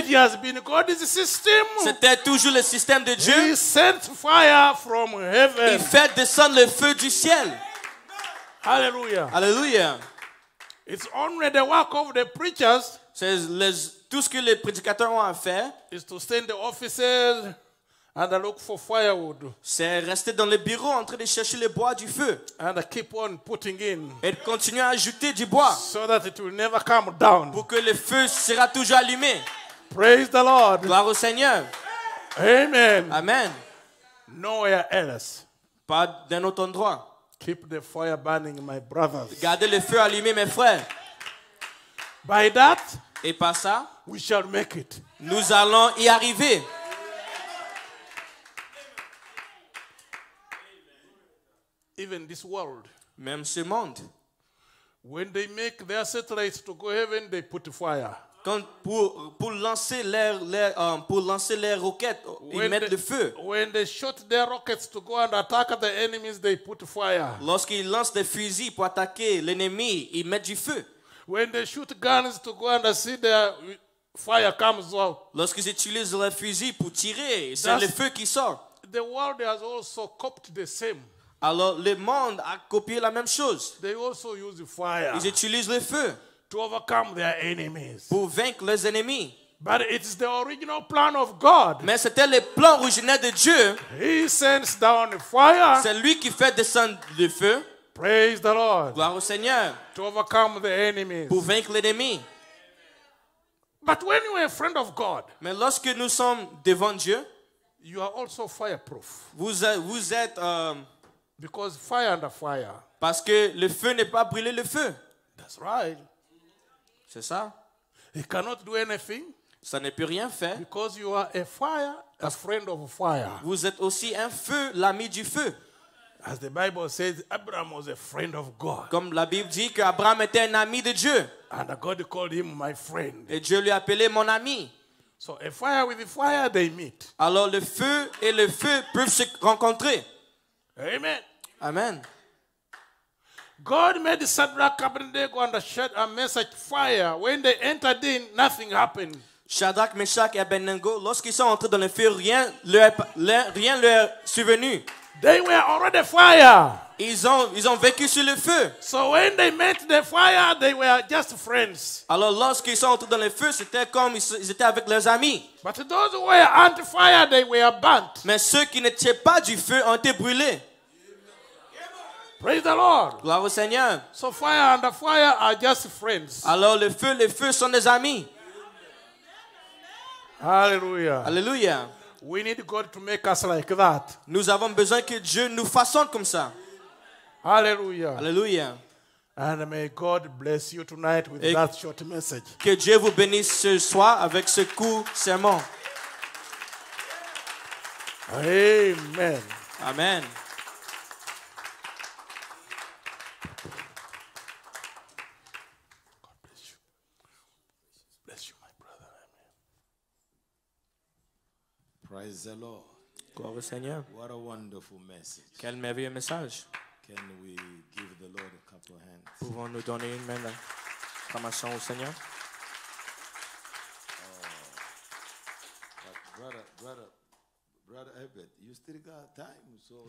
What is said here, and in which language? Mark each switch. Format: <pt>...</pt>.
<en>It has been God's system.</en> <fr>C'était toujours le système de Dieu.</fr> <en>He sent fire from heaven.</en> <fr>Il fait descendre le feu du ciel.</fr> <en>Hallelujah.</en> <fr>Hallelujah.</fr> <en>It's only the work of the preachers.</en> <fr>C'est les, tout ce que les prédicateurs ont à faire.</fr> <en>Is to stay in the offices and look for firewood.</en> <fr>C'est rester dans le bureau en train de chercher le bois du feu.</fr> <en>And keep on putting in.</en> <fr>Et continuer à ajouter du bois.</fr> <en>So that it will never come down.</en> <fr>Pour que le feu sera toujours allumé.</fr> <en>Praise the Lord.</en> <fr>Gloire au Seigneur.</fr> <en>Amen.</en> <fr>Amen.</fr> <en>Nowhere else.</en> <fr>Pas d'un autre endroit.</fr> <en>Keep the fire burning, my brothers.</en> <fr>Gardez le feu allumé, mes frères.</fr> <en>By that,</en> <fr>et par ça,</fr> <en>we shall make it.</en> <fr>Nous allons y arriver.</fr> <en>Even this world,</en> <fr>même ce monde,</fr> <en>when they make their satellites to go heaven, they put fire.</en> <fr>Quand pour lancer leur roquettes, ils mettent le feu.</fr> <en>When they shoot their rockets to go and attack the enemies, they put fire.</en> <fr>Lorsqu'ils lancent des fusils pour attaquer l'ennemi, ils mettent du feu.</fr> <en>When they shoot guns to go and see their fire comes out.</en> <fr>Lorsqu'ils utilisent leurs fusils pour tirer, c'est le feu qui sort.</fr> <en>The world has also copied the same.</en> <fr>Alors, le monde a copié la même chose.</fr> <en>They also use the fire.</en> <fr>Ils utilisent le feu</fr> <en>to overcome their enemies.</en> <fr>Pour vaincre leurs ennemis.</fr> <en>But it's the original plan of God.</en> <fr>Mais c'était le plan originel de Dieu.</fr> <en>He sends down fire.</en> <fr>C'est lui qui fait descendre le feu.</fr> <en>Praise the Lord.</en> <fr>Gloire au Seigneur.</fr> <en>To overcome the enemies.</en> <fr>Pour vaincre l'ennemi.</fr> <en>But when you are a friend of God,</en> <fr>mais lorsque nous sommes devant Dieu,</fr> <en>you are also fireproof.</en> <fr>Vous êtes...</fr> <en>Because fire under fire.</en> <fr>Parce que le feu n'est pas brûlé le feu.</fr> <en>That's right.</en> <fr>C'est ça.</fr> <en>He cannot do anything.</en> <fr>Ça ne peut rien faire.</fr> <en>Because you are a fire, a friend of fire.</en> <fr>Vous êtes aussi un feu, l'ami du feu.</fr> <en>As the Bible says, Abraham was a friend of God.</en> <fr>Comme la Bible dit que Abraham était un ami de Dieu.</fr> <en>And God called him my friend.</en> <fr>Et Dieu lui appelait mon ami.</fr> <en>So a fire with the fire they meet.</en> <fr>Alors le feu et le feu peuvent se rencontrer.</fr> <en>Amen.</en> <fr>Amen.</fr> <en>God made Shadrach, Abednego, and Meshach fire. When they entered in, nothing happened.</en> <fr>Shadrach, Meshach, et Abednego, lorsqu'ils sont entrés dans le feu, rien leur survenu.</fr> <en>They were already fire.</en> <fr>Ils ont vécu sur le feu.</fr> <en>So when they met the fire, they were just friends.</en> <fr>Alors lorsqu'ils sont entrés dans le feu, c'était comme ils étaient avec leurs amis.</fr> <en>But those who were on fire, they were burnt.</en> <fr>Mais ceux qui n'étaient pas du feu ont été brûlés.</fr> <en>Praise the Lord.</en> <fr>Gloire au Seigneur.</fr> <en>So fire and fire are just friends.</en> <fr>Alors le feu sont des amis.</fr> <en>Hallelujah.</en> <fr>Hallelujah.</fr> <en>We need God to make us like that.</en> <fr>Nous avons besoin que Dieu nous façonne comme ça.</fr> <en>Hallelujah.</en> <fr>Hallelujah.</fr> <en>And may God bless you tonight with that short message.</en> <fr>Que Dieu vous bénisse ce soir avec ce court sermon.</fr> <en>Amen.</en> <fr>Amen.</fr> <en>God bless you. Bless you, my brother. Amen. Praise the Lord.</en> <fr>Gloire au Seigneur.</fr> <en>What a wonderful message.</en> <fr>Quel merveilleux message.</fr> <en>Can we give the Lord a couple of hands?</en> <fr>Pouvons-nous donner une main d'acclamation au Seigneur?</fr> <en>But brother Herbert, you still got time, so</en>